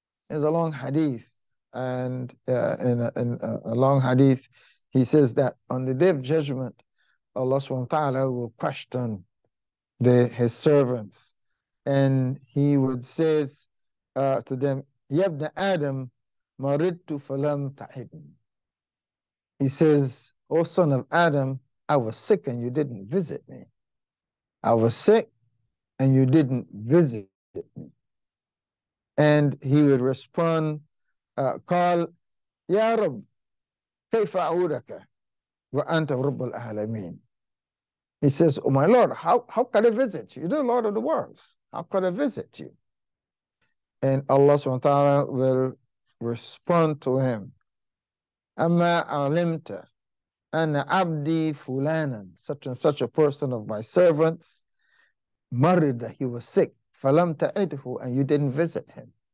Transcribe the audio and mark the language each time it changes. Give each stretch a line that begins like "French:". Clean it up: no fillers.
English: It's a long hadith, and in a long hadith, he says that on the day of judgment, Allah subhanahu wa ta'ala will question his servants, and he would say to them,
Arabic: "Yabna Adam, maridtu falam ta'ibn."
English: He says, "O son of Adam, I was sick and you didn't visit me. I was sick and you didn't visit me." And he would respond,
Arabic: قال يا رب كيف أعودك وأنت رب العالمين.
English: He says, oh my Lord, how can I visit you? You're the Lord of the world. How can I visit you? And Allah subhanahu wa ta'ala will respond to him.
Arabic: Amma alimta anna abdi fulanan,
English: such and such a person of my servants,
Arabic: marida,
English: he was sick,
Arabic: falam ta'idhu,
English: and you didn't visit him.